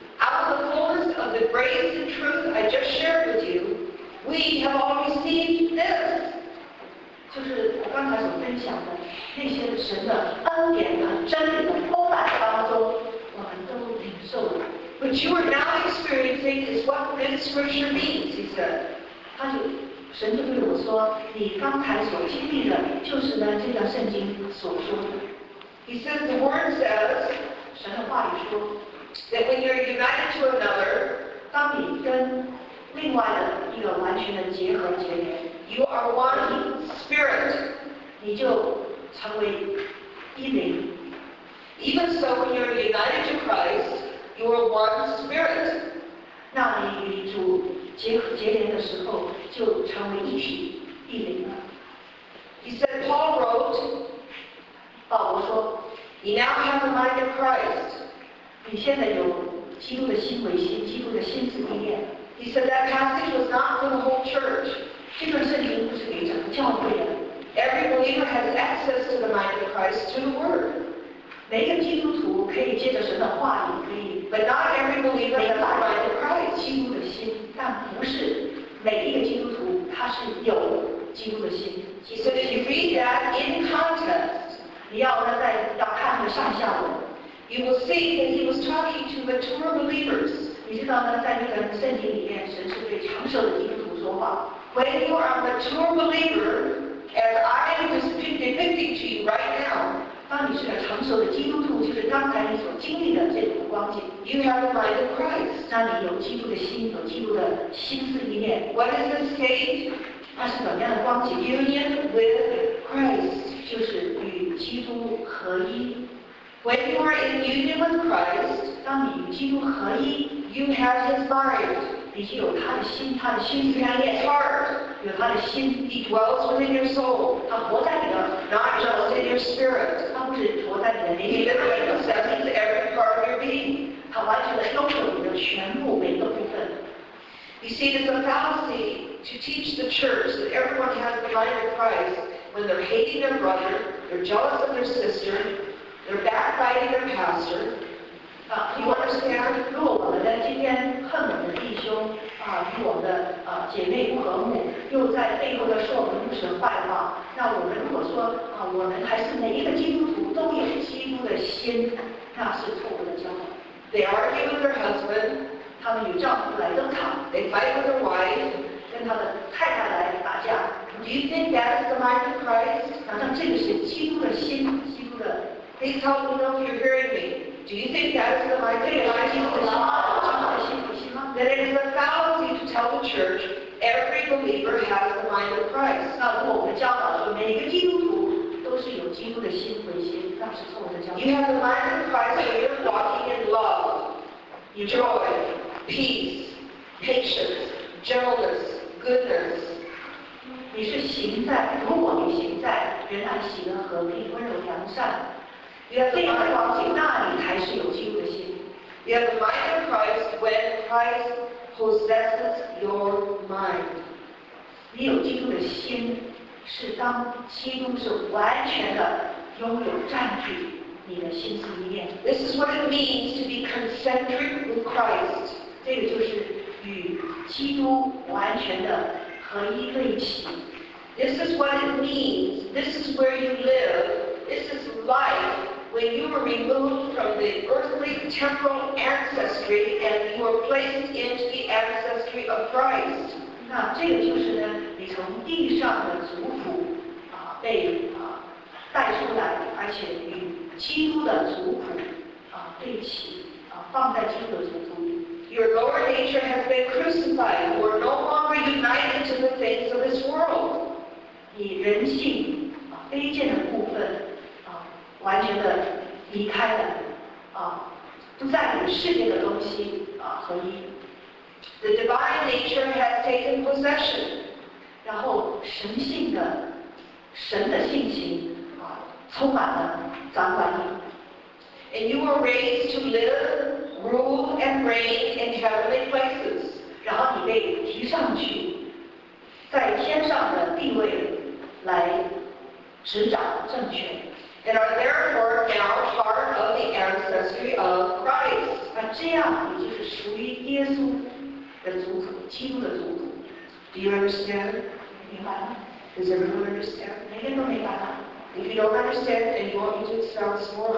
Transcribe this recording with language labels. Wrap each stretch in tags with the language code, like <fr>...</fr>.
<en>Out of the fullness of the grace and truth I just shared with you， we have all received this。</en> <zh>就是我刚才所分享的那些神的恩典和真理的丰满当中，我们都领受了。</zh> <en>What you are now experiencing is what this scripture means, he said.</en> <zh>他就神就对我说，你刚才所经历的，就是呢这段圣经所说的。</zh> <en>He says the word says,</en> <zh>神的话语说</zh> <en>，that when you're united to another,</en> <zh>当你跟另外的一个完全的结合结连</zh> <en>，you are one spirit,</en> <zh>你就成为一灵。</zh> <en>Even so, when you're united to Christ. You are one spirit.</en> <zh>那你与主结连的时候，就成为一体一灵了。</zh> <en>He said, Paul wrote.</en> <zh>保罗说</zh> <en>，You now have the mind of Christ.</en> <zh>你现在有基督的心为心，基督的心思意念。</zh> <en>He said that passage was not for the whole church.</en> <zh>这段圣经不是给整个教会的。</zh> <en>Every believer has access to the mind of Christ through the Word.</en> <zh>每个基督徒可以借着神的话语，可以。</zh> <en>But not every believer has the mind of Christ.</en> <zh>基督的心，但不是每一个基是有基督的心。</zh> <en>So if you read that in context,</en> <zh>你要那在要看那上下文。</zh> <en>You will see that he was talking to mature believers.</en> <zh>你知道呢，在那个圣经里面，神是对成熟的基督徒说话。</zh> <en>When you are a mature believer, as I am depicting to you right now,</en> <zh>当你是个成熟的基督徒，就是刚才你所经历的这种光景。</zh> <en>You have the mind of Christ.</en> <zh>那你有基督的心，有基督的心思意念。</zh> <en>What is the state?</en> <zh>它是怎么样的光景</zh> <en>？Union with Christ.</en> <zh>就是与基督合一。</zh> <en>When you are in union with Christ,</en> <zh>当你与基督合一</zh> <en>，you have His mind.</en> <zh>你就有他的心，他的心思意念。</zh> <en>You have His heart.</en> <zh>有他的心。</zh> <en>He dwells within your soul.</en> <zh>他活在你的</zh> <en>，not just in your spirit.</en> <zh>他不是活在你的灵里。</zh> <en>He literally possesses every part of your being.</en> <zh>他完全的拥有你的全部每一个部分。</zh> <en>You see, it's a fallacy to teach the church that everyone has the mind of Christ when they're hating their brother, they're jealous of their sister. They're backbiting their pastor. You understand?</en> <zh>如果我们在今天恨我们的弟兄啊，与我们的啊姐妹不和睦，又在背后的说我们牧师坏话，那我们如果说啊，我们还是每一个基督徒都有基督的心，那是错误的教导。</zh> <en>They argue with their husband.</en> <zh>他们与丈夫来争吵。</zh> <en>They fight with their wife.</en> <zh>跟他的太太来打架。</zh> <en>Do you think that is the mind of Christ?</en> <zh>难道这个是基督的心，基督的？</zh> <en>Please help me know if you're hearing me. Do you think that is the mind of Christ? Then it is a fallacy to tell the church every believer has the mind of Christ.</en> <zh>那如果我们教导说每个基督徒都是有基督的心和心，那是错误的教导。</zh> <en>You have the mind of Christ when you're walking in love, joy, peace, patience, gentleness, goodness.</en> <zh>你是行在，如果你行在，仍然喜乐和平，温柔良善。</zh> <en>You have the mind of</en> <zh>Christ, 那你才是有基督的心。</zh> <en>You have the mind of Christ when Christ possesses your mind.</en> <zh>你有基督的心，是当基督是完全的拥有占据你的心思意念。</zh> <en>This is what it means to be concentric with Christ.</en> <zh>这个就是与基督完全的合一在一起。</zh> <en>This is what it means. This is where you live. This is life. When you are removed from the earthly temporal ancestry and you are placed into the ancestry of Christ,</en> <zh>那这个就是呢，你从地上的族谱啊被啊带出来，而且与基督的族谱啊对齐啊放在基督的族谱里。</zh> <en>Your lower nature has been crucified. You are no longer united to the things of this world.</en> <zh>你人性啊卑贱的部分。完全的离开了，啊，不再与世界的东西啊合一。</zh> <en>The divine nature has taken possession.</en> <zh>然后神性的，神的性情啊，充满了掌管你。</zh> <en>And you were raised to live, rule, and reign in heavenly places.</en> <zh>然后你被提上去，在天上的地位来执掌政权。</zh> <en>And are therefore now part of the ancestry of Christ.</en> <zh>那这样你就是属于耶稣的族谱，基督的族谱。</zh> <en>Do you understand?</en> <zh>明白吗</zh> <en>？Does everyone understand?</en> <zh>每个人都明白吗</zh> <en>？If you don't understand, then you want me to explain this more.</en>